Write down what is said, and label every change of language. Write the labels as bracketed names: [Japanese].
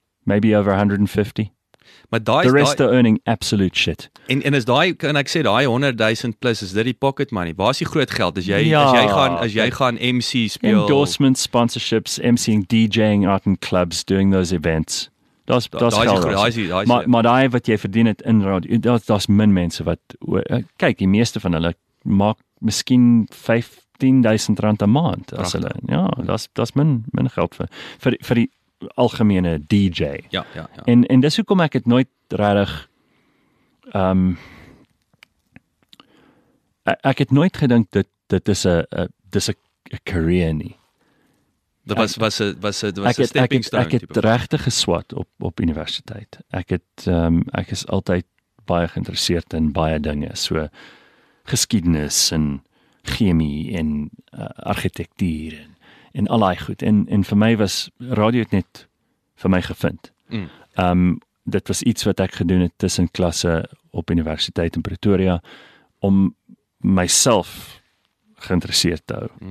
[English] Maybe over 150. [Afrikaans] Maar daai [English] the rest are earning absolute shit. [Afrikaans] En is daai, kan ek sê, daai 100,000 plus, is dit die pocket money? Waar is die groot geld? As jy gaan MC speel? [English] Endorsements, sponsorships, MCing, DJing, art and clubs, doing those events. [Afrikaans] Maar daai wat jy verdien het in radio, daar's min mense wat, kyk, die meeste van hulle maak miskien 15,000 rand a maand. As hulle, ja, daar's min geld vir die algemene DJ. Ja, ja, ja. En dis hoekom ek het nooit regtig ek het nooit gedink dit is 'n career nie. Dit was 'n stepping stone. Ek het regtig geswat op universiteit. Ek het ek is altyd baie geïnteresseerd in baie dinge, so geskiedenis en chemie en argitektuur en al die goed. En vir my was radio het net vir my gevind. Dit was iets wat ek gedoen het tussen klasse op universiteit in Pretoria om myself geïnteresseerd te hou.